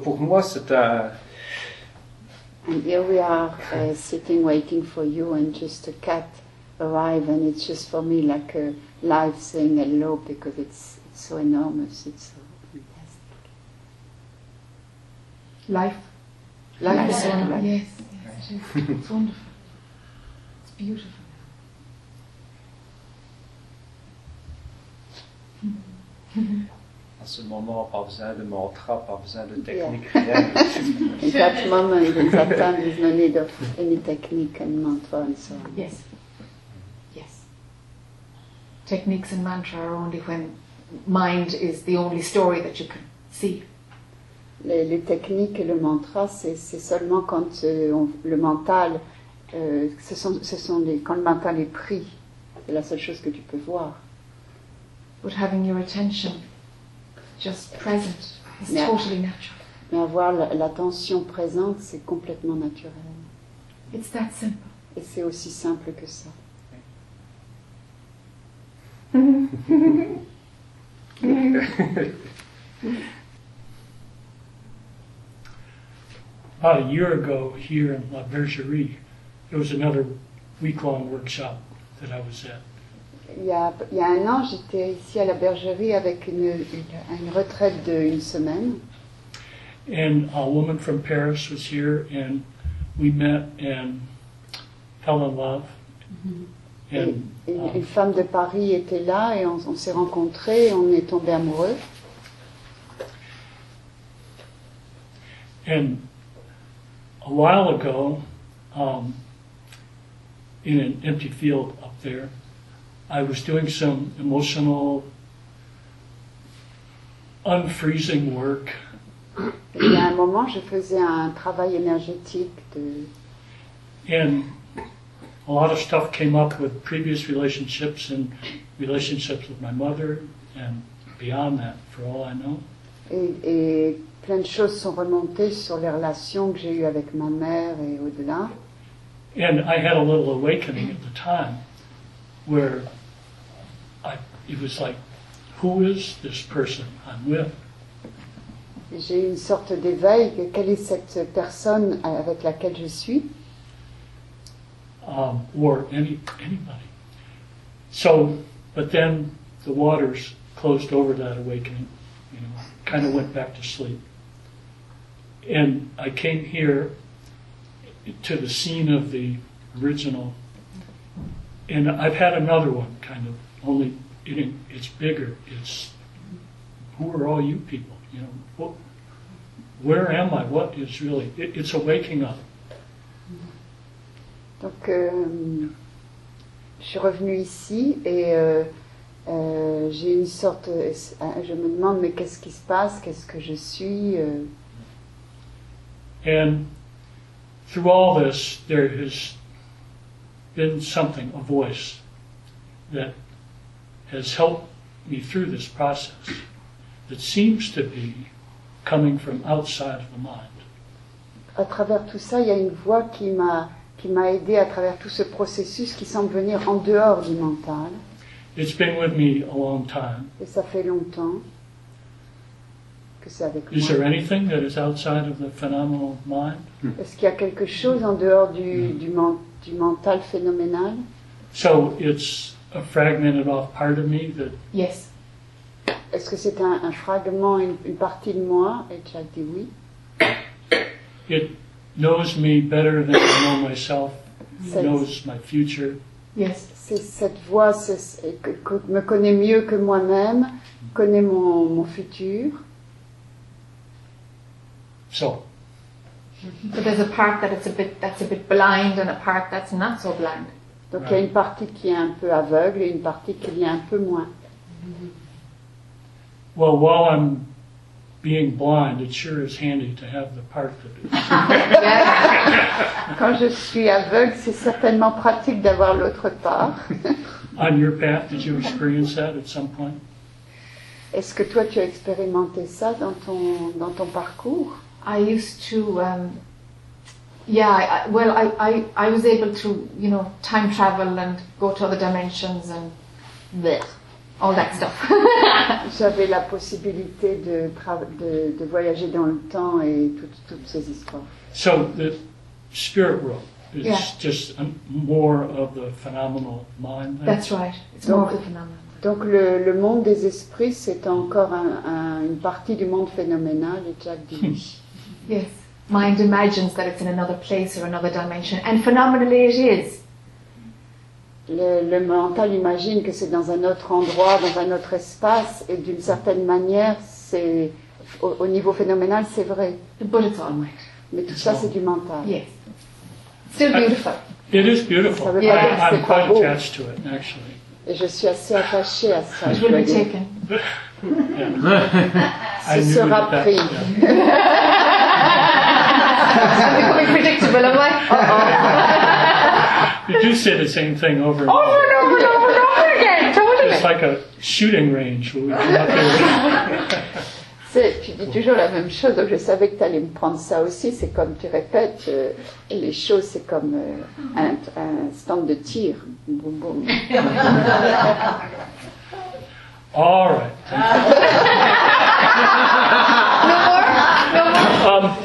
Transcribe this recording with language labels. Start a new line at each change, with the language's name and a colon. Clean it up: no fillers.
French: Pour moi, c'est un...
English: And here we are, sitting, waiting for you, and just a cat arrive, and it's just for me like a life saying hello, because it's so enormous, it's so fantastic. Life. Life is enormous. Yes. It's wonderful. It's beautiful.
French: À ce moment, pas besoin de mantra, pas besoin de technique.
English: Yeah. At that moment, at that time, there's no need of any technique and mantra and so on. Yes. Yes. Techniques and mantra are only when mind is the only story that you can see.
French: Les techniques et le mantra, c'est seulement quand le mental, quand le mental est pris, c'est la seule chose que tu peux voir.
English: But having your attention just present is totally natural.
French: Mais avoir l'attention présente, c'est complètement naturel.
English: It's that simple.
French: Et c'est aussi simple que ça.
English: About a year ago, here in La Bergerie, there was another week-long workshop that I was at.
French: Il y a un an, j'étais ici à La Bergerie avec une retraite d'une semaine.
English: And a woman from Paris was here, and we met and fell in love.
French: Mm-hmm.
English: And
French: une femme de Paris était là, et on s'est rencontrés, et on est tombés amoureux.
English: And a while ago, in an empty field up there, I was doing some emotional unfreezing work.
French: Il y a un moment, je faisais un travail énergétique de.
English: And a lot of stuff came up with previous relationships and relationships with my mother and beyond that, for all I know.
French: Et plein de choses sont remontées sur les relations que j'ai eues avec ma mère et au-delà.
English: And I had a little awakening at the time where it was like, who is this person I'm with?
French: J'ai une sorte d'éveil, quelle est cette personne avec laquelle je suis?
English: Or anybody. So, but then the waters closed over that awakening, you know, kind of went back to sleep. And I came here to the scene of the original, and I've had another one, kind of, only it's bigger. It's, who are all you people? You know, what, where am I? What is really, it's a waking up.
French: Donc, je suis revenu ici et j'ai une sorte. Je me demande, mais qu'est-ce qui se passe? Qu'est-ce que je suis?
English: And through all this, there has been something, a voice, that has helped me through this process that seems to be coming from outside of the mind.
French: À travers tout ça, il y a une voix qui m'a aidé à travers tout ce processus qui semble venir en dehors du mental.
English: It's been with me a long time.
French: Et ça fait longtemps que c'est avec moi.
English: Is there anything that is outside of the phenomenal mind?
French: Est-ce qu'il y a quelque chose en dehors du mental phénoménal?
English: So it's a fragmented off part of me that. Yes.
French: Est-ce que c'est un fragment, une partie de moi? Et tu as dit oui.
English: It knows me better than I know myself. Yes. Knows my future. Yes,
French: c'est cette voix, c'est me connaît mieux que moi-même, connaît mon futur.
English: So. But there's a part that's a bit blind and a part that's not so blind.
French: Donc il y a une partie qui est un peu aveugle et une partie qui est un peu moins.
English: Well, while I'm being blind, it sure is handy to have the part that is.
French: Quand je suis aveugle, c'est certainement pratique d'avoir l'autre part.
English: On your path, did you experience that at some point?
French: Est-ce que toi, tu as expérimenté ça dans ton parcours?
English: I used to, I was able to, you know, time travel and go to other dimensions and bleh. All that stuff.
French: J'avais la possibilité de voyager dans le temps et toutes ces histoires.
English: So the spirit world is just more of the phenomenal mind. Then. That's right. It's
French: donc,
English: more of the phenomenal.
French: Donc le monde des esprits c'est encore une partie du monde phénoménal, et Jack dit.
English: Yes. Mind imagines that it's in another place or another dimension, and phenomenally it is.
French: Le mental imagine que c'est dans un autre endroit, dans un autre espace, et d'une certaine manière, c'est au niveau phénoménal, c'est vrai.
English: But it's all right.
French: Mais tout ça, c'est du mental.
English: Yes. Still beautiful. It is beautiful.
French: Ça veut pas dire que c'est
English: quite
French: pas
English: attached To it, actually.
French: Et je suis assez attaché à ça.
English: It will be taken.
French: Ce sera pris.
English: Something will be predictable, am I? You do say the same thing over and over. Over and over and over again, totally. It's like a shooting range where we come up there.
French: Tu dis toujours la même chose, donc je savais que tu allais me prendre ça aussi. C'est comme tu répètes, les choses, c'est comme un stand de tir. Boum, boum.
English: All right.